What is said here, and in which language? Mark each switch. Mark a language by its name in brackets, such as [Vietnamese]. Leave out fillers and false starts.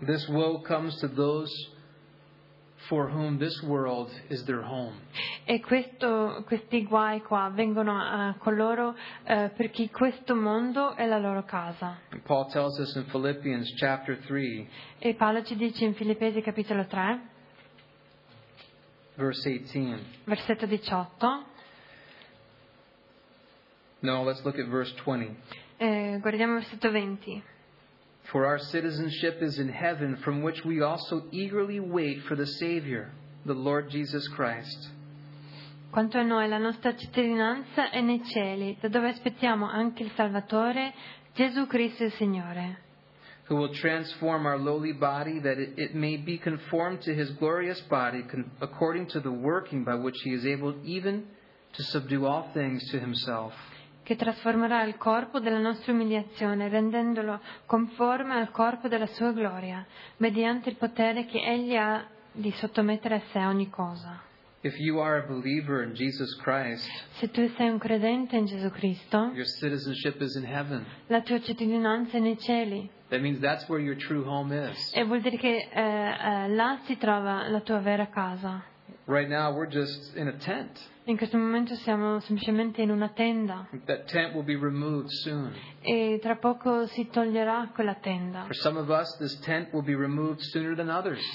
[English] This woe comes to those for whom this world is their home. [Italian] E questi guai qua vengono a coloro per chi questo mondo è la loro casa. [English] And Paul tells us in Philippians chapter 3. [Italian] E Paolo ci dice in Filippesi capitolo 3. Versetto 18. [English] No, let's look at verse 20. [Italian] Guardiamo versetto 20. [English] For our citizenship is in heaven, from which we also eagerly wait for the Savior, the Lord Jesus Christ. [Italian] Quanto a noi, la nostra cittadinanza è nei cieli, da dove aspettiamo anche il Salvatore, Gesù Cristo il Signore. [English] Who will transform our lowly body that it may be conformed to his glorious body, according to the working by which he is able even to subdue all things to himself. [Italian] Che trasformerà il corpo della nostra umiliazione, rendendolo conforme al corpo della sua gloria, mediante il potere che egli ha di sottomettere a sé ogni cosa. [English] If you are a believer in Jesus Christ, [Italian] se tu sei un credente in Gesù Cristo, [English] your citizenship is in heaven. [Italian] La tua cittadinanza è nei cieli. [English] That means that's where your true home is. [Italian] E vuol dire che là si trova la tua vera casa. [English] Right now we're just in a tent. [Italian] In questo momento siamo semplicemente in una tenda. [English] That tent will be removed soon. [Italian] E tra poco si toglierà quella tenda. [English] For some of us, this tent will be removed sooner than others.